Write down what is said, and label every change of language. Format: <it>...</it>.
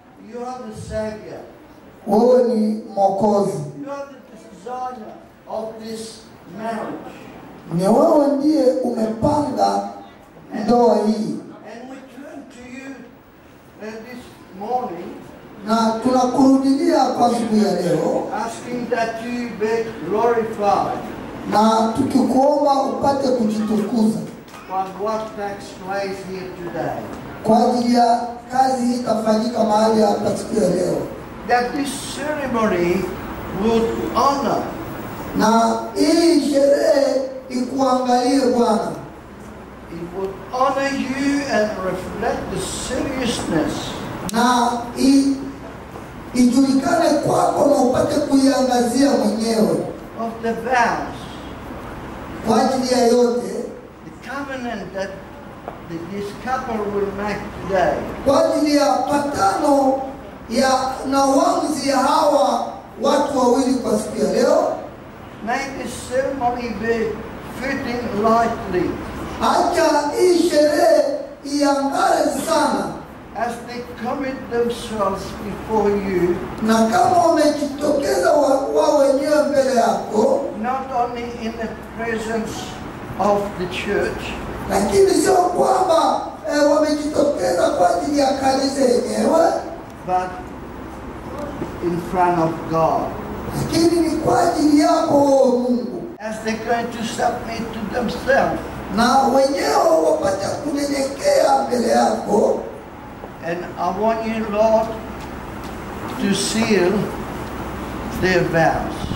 <en>you are the Savior.</en> <sw>Wewe ni Mwokozi.</sw> <en>You are the designer of this marriage.</en> <sw>Ni wewe ndiye umepanga ndoa hii.</sw> <en>And we turn to you this morning.</en> <sw>Na tunakurudia kwa siku ya leo.</sw> <en>Asking that you be glorified.</en> <sw>Na tukikuomba upate kujitukuza.</sw> <en>For what takes place here today.</en> <sw>Kwa ajili ya kazi itafanyika mahali hapa siku ya leo.</sw> <en>That this ceremony would honor.</en> <sw>Na hii sherehe ikuangalie Bwana.</sw> <en>It would honor you and reflect the seriousness.</en> <sw>Na ijulikane kwako na upate kuiangazia mwenyewe.</sw> <en>Of the vows.</en> <sw>Kwa ajili ya yote.</sw> <en>The covenant that this couple will make today.</en> <sw>Kwa ajili ya patano ya na uamuzi ya hawa watu wawili kwa siku ya leo.</sw> <en>May this ceremony be fitting lightly.</en> <sw>Acha hii sherehe iangae sana.</sw> <en>As they commit themselves before you.</en> <sw>Na kama wamejitokeza wao wenyewe mbele yako.</sw> <en>Not only in the presence of the church.</en> <sw>Lakini sio kwamba wamejitokeza kwa ajili ya kanisa lenyewe.</sw> <en>But in front of God.</en> <sw>Lakini ni kwa ajili yako Mungu.</sw> <en>As they going to submit to themselves.</en> <sw>Na wenyewe wapate kunyenyekea mbele yako.</sw> <en>And I want you, Lord, to seal their vows.</en>